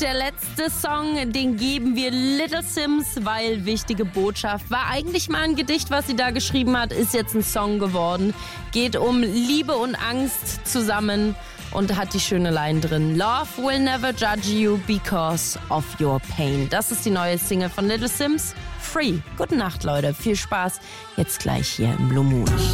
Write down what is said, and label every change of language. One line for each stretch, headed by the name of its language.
German: Der letzte Song, den geben wir Little Sims, weil wichtige Botschaft. War eigentlich mal ein Gedicht, was sie da geschrieben hat, ist jetzt ein Song geworden. Geht um Liebe und Angst zusammen und hat die schöne Line drin.
English: Love will never judge you because of your pain.
German: Das ist die neue Single von Little Sims. Free. Gute Nacht, Leute. Viel Spaß jetzt gleich hier im Blue Moon.